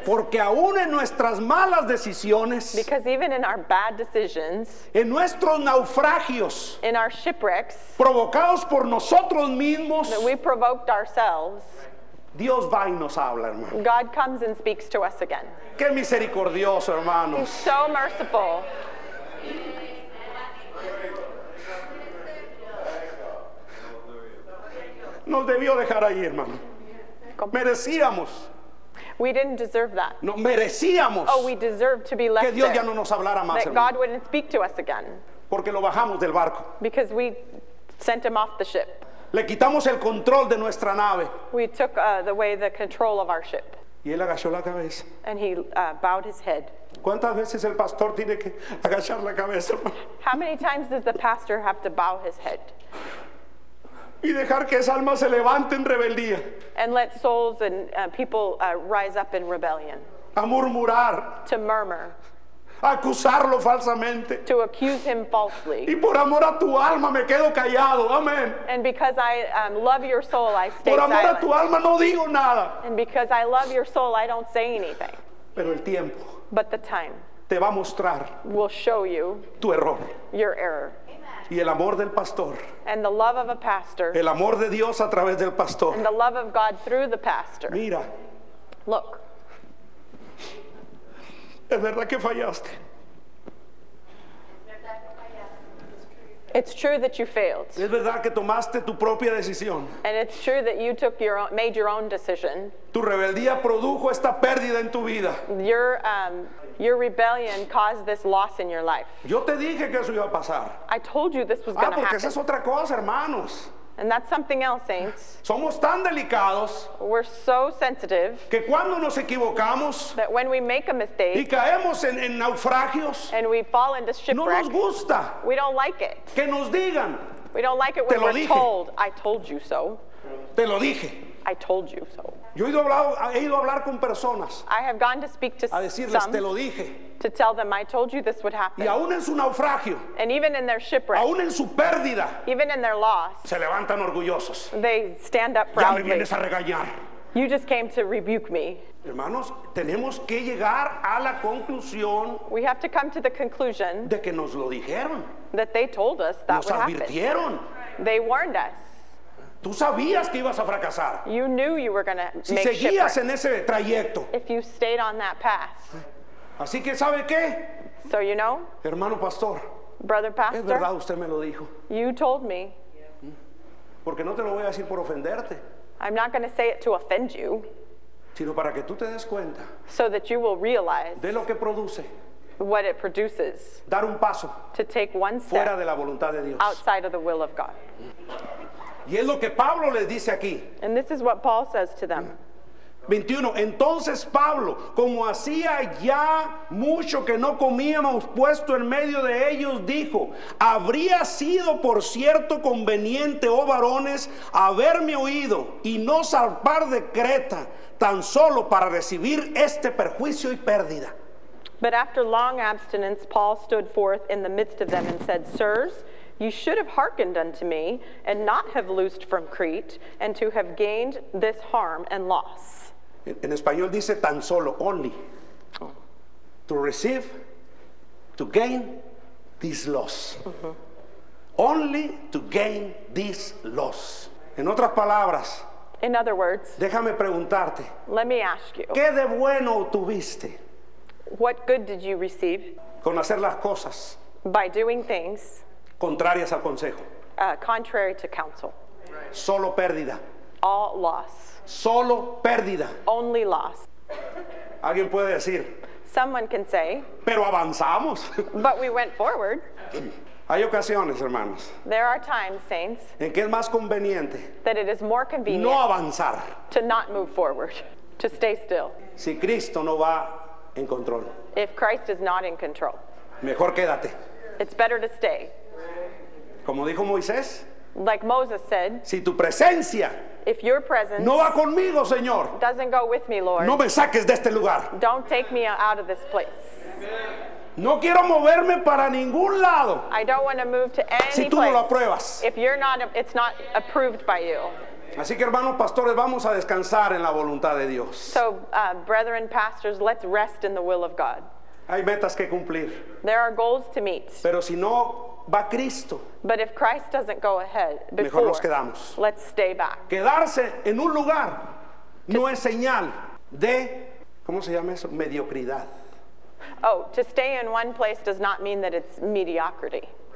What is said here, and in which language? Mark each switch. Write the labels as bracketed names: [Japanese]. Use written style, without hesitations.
[Spanish] Porque aún en nuestras malas decisiones, [English] because even in our bad decisions, [Spanish] en nuestros naufragios, [English] in our shipwrecks, [Spanish] provocados por nosotros mismos, [English] that we provoked ourselves, [Spanish] Dios va y nos habla, hermano. [English] God comes and speaks to us again. [Spanish] Qué misericordioso, hermano. [English] He's so merciful. [Spanish] Nos debió dejar ahí, hermano. Merecíamos. [English] We didn't deserve that. [Spanish] No, merecíamos. [English] Oh, we deserved to be left there. [Spanish] Que Dios ya no nos hablara más, hermano. [English] That God wouldn't speak to us again. [Spanish] Porque lo bajamos del barco. [English] Because we sent him off the ship. [Spanish] Le quitamos el control de nuestra nave. [English] We took away the control of our ship. [Spanish] Y él agachó la cabeza. [English] And he bowed his head. [Spanish] ¿Cuántas veces el pastor tiene que agachar la cabeza? [English] How many times does the pastor have to bow his head? [Spanish] Y dejar que esa alma se levante en rebeldía. [English] And let souls and people rise up in rebellion. [Spanish] A murmurar. [English] To murmur. [Spanish] Acusarlo falsamente. [English] To accuse him falsely. [Spanish] Y por amor a tu alma me quedo callado. Amen. [English] And because I love your soul, I stay [Spanish] por amor [English] silent. [Spanish] A tu alma no digo nada. [English] And because I love your soul, I don't say anything. [Spanish] Pero el tiempo, [English] but the time, [Spanish] te va a mostrar, [English] will show you, [Spanish] tu error, [English] your error. [Spanish] Y el amor del pastor, [English] and the love of a pastor, [Spanish] el amor de Dios a través del pastor, [English] and the love of God through the pastor. [Spanish] Mira, [English] look, [Spanish] es verdad que fallaste. [English] It's true that you failed. [Spanish] Es verdad que tomaste tu propia decisión. [English] And it's true that you took your own, made your own decision. [Spanish] Tu rebeldía produjo esta pérdida en tu vida. [English] Your rebellion caused this loss in your life. [Spanish] Yo te dije que eso iba a pasar. [English] I told you this was going to happen. [Spanish] Ah, porque esa es otra cosa, hermanos. [English] And that's something else, saints. [Spanish] Somos tan delicados, [English] we're so sensitive, [Spanish] que cuando nos equivocamos, [English] that when we make a mistake, [Spanish] y caemos en naufragios, [English] and we fall into shipwreck, [Spanish] no nos gusta, [English] we don't like it, [Spanish] que nos digan, [English] we don't like it when [Spanish] te lo [English] we're [Spanish] dije. [English] Told, I told you so. [Spanish] Te lo dije. [English] I told you so. [Spanish] Yo he ido a hablar con personas, [English] I have gone to speak to [Spanish] a decirles, [English] some, [Spanish] te lo dije. [English] To tell them, I told you this would happen. [Spanish] Y aún en su naufragio, [English] and even in their shipwreck, [Spanish] aún en su pérdida, [English] even in their loss, [Spanish] se levantan orgullosos. [English] They stand up proudly. [Spanish] Ya me vienes a regañar. [English] You just came to rebuke me. [Spanish] Hermanos, tenemos que llegar a la conclusión, [English] we have to come to the conclusion, [Spanish] de que nos lo dijeron, [English] that they told us that [Spanish] nos [English] would [Spanish] advirtieron. [English] Happen. They warned us. [Spanish] Tú sabías que ibas a fracasar. [English] You knew you were going to make shipwreck. [Spanish] Si seguías en ese trayecto. [English] If you stayed on that path. [Spanish] Así que ¿sabe qué? [English] So you know. [Spanish] Hermano pastor. [English] Brother pastor. [Spanish] Es verdad, usted me lo dijo. [English] You told me. [Spanish] Porque no te lo voy a decir por ofenderte. [English] I'm not going to say it to offend you. [Spanish] Sino para que tú te des cuenta. [English] So that you will realize. [Spanish] De lo que produce. [English] What it produces. [Spanish] Dar un paso. [English] To take one step. [Spanish] Fuera de la voluntad de Dios. [English] Outside of the will of God. [Spanish] Y es lo que Pablo les dice aquí. [English] And this is what Paul says to them. 21. [Spanish] Entonces Pablo, como hacía ya mucho que no comíamos puesto en medio de ellos, dijo: habría sido por cierto conveniente, oh varones, haberme oído y no zarpar de Creta, tan solo para recibir este perjuicio y pérdida. [English] But after long abstinence, Paul stood forth in the midst of them and said, sirs, you should have hearkened unto me and not have loosed from Crete and to have gained this harm and loss. [Spanish] En español dice tan solo, [English] only. To receive, to gain this loss. Mm-hmm. Only to gain this loss. [Spanish] En otras palabras. [English] In other words. [Spanish] Déjame preguntarte. [English] Let me ask you. [Spanish] ¿Qué de bueno tuviste? [English] What good did you receive? [Spanish] Con hacer las cosas. [English] By doing things. [Spanish] Contrarias al consejo. [English] Contrary to counsel. [Spanish] Solo pérdida. [English] All loss. [Spanish] Solo pérdida. [English] Only loss. [Spanish] Alguien puede decir. [English] Someone can say. [Spanish] Pero avanzamos. [English] But we went forward. [Spanish] Hay ocasiones, hermanos. [English] There are times, saints. [Spanish] En que es más conveniente. [English] That it is more convenient. [Spanish] No avanzar. [English] To not move forward. To stay still. [Spanish] Si Cristo no va en control. [English] If Christ is not in control. [Spanish] Mejor quédate. [English] It's better to stay. [Spanish] Como dijo Moisés. [English] Like Moses said. [Spanish] Si tu presencia. [English] If your presence. [Spanish] No va conmigo, Señor. [English] Doesn't go with me, Lord. [Spanish] No me saques de este lugar. [English] Don't take me out of this place. [Spanish] No quiero moverme para ningún lado. [English] I don't want to move to any [Spanish] si tú [English] place. [Spanish] No lo apruebas. [English] If you're not, it's not approved by you. [Spanish] Así que hermanos pastores, vamos a descansar en la voluntad de Dios. [English] So, brethren pastors, let's rest in the will of God. [Spanish] Hay metas que cumplir. [English] There are goals to meet. [Spanish] Pero si no va Cristo. [English] But if Christ doesn't go ahead before. [Spanish] Mejor nos quedamos. [English] Let's stay back. [Spanish] Quedarse en un lugar no es señal de, ¿cómo se llama eso? Mediocridad. [English] Oh, to stay in one place does not mean that it's mediocrity.